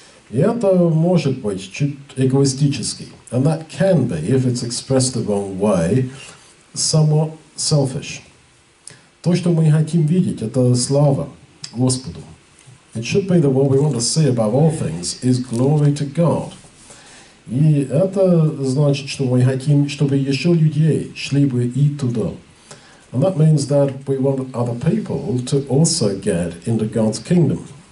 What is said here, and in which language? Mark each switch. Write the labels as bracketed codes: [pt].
[ru] И это может быть чуть эгоистически. [en] And that can be, if it's expressed the wrong way, somewhat selfish. [ru] То, что мы хотим видеть, это слава Господу. [en] It should be that what we want to see above all things is glory to God. [ru] И это значит, что мы хотим, чтобы еще людей шли бы и туда. [en] And that means that we want other people to also get into God's kingdom.